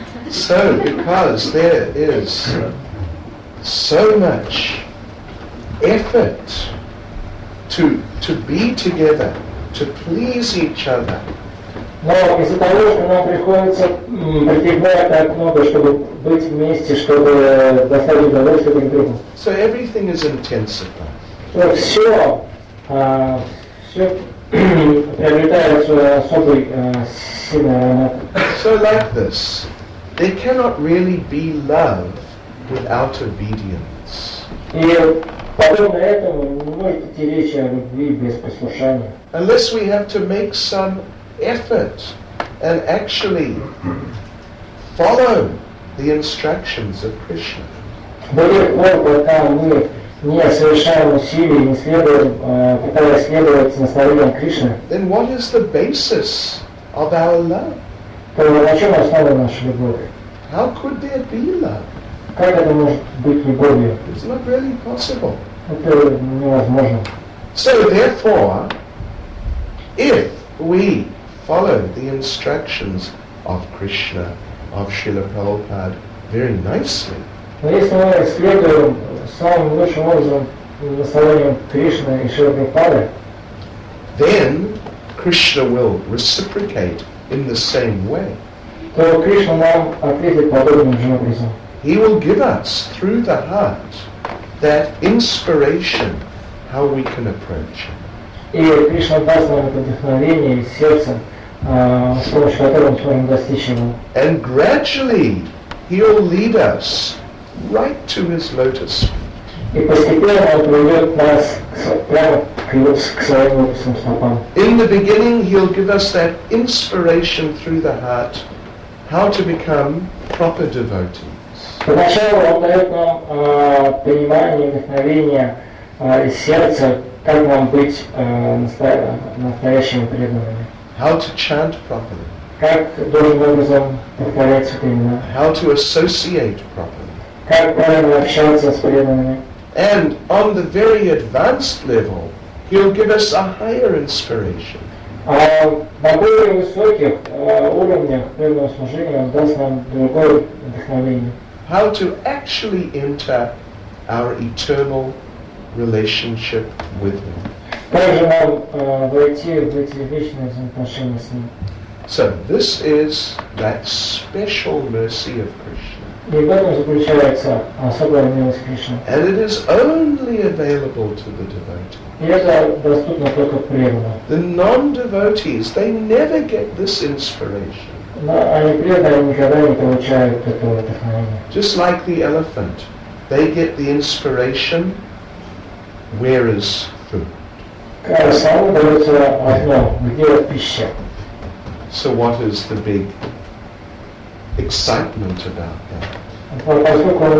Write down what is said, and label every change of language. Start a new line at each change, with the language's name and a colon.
English: So because there is so much effort to be together, to please each other.
Russian: Но из-за того, что нам приходится прибегать так много, чтобы быть вместе, чтобы доставить удовольствие друг другу.
English: So everything is intensified.
Russian: То все, все приобретает свой особый сильный аромат.
English: So like this, there cannot really be love without obedience.
Russian: Подобно этому не может идти речь о любви без послушания.
English: Unless we have to make some effort and actually follow the instructions of Krishna.
Russian: До тех пор, пока мы не совершаем усилий, не следуем, пытаясь следовать наставлениям Кришны.
English: Then what is the basis of our love?
Russian: Тогда на чем основана наша любовь?
English: How could there be love?
Russian: Как это может быть любовью?
English: It's not really possible.
Russian: Это невозможно.
English: So therefore, if we follow the instructions of Krishna, of Srila Prabhupada very nicely,
Russian: но если мы следуем самым лучшим образом наставлениям Кришны и Шрила Прабхупады,
English: then Krishna will reciprocate in the same way.
Russian: То Кришна нам ответит подобным же образом.
English: He will give us through the heart that inspiration, how we can approach
Russian: И Кришна даст нам это вдохновение из сердца, с помощью которого мы сможем достичь его.
English: And gradually he'll lead us right to his lotus.
Russian: И постепенно он приведет нас прямо к своим лотосным стопам.
English: In the beginning he'll give us that inspiration through the heart how to become proper devotees.
Russian: Поначалу он дает нам понимание, вдохновение из сердца, как нам быть настоящими преданными.
English: How to chant properly.
Russian: Как должным образом повторять сутрины.
English: How to associate properly.
Russian: Как правильно общаться с преданными.
English: And on the very advanced level, he'll give us a higher inspiration.
Russian: На более высоких уровнях преданного служения он даст нам другое вдохновение.
English: How to actually enter our eternal relationship with him.
Russian: Как же нам войти в эти вечные взаимоотношения с ним?
English: So this is that special mercy of Krishna.
Russian: И в этом заключается особая милость Кришны.
English: And it is only available to the devotee.
Russian: И это доступно только преданным.
English: The non-devotees, they never get this inspiration.
Russian: Но они преданные никогда не получают этого вдохновения.
English: Just like the elephant, they get the inspiration. Where is food? Yeah. So what is the big excitement about that?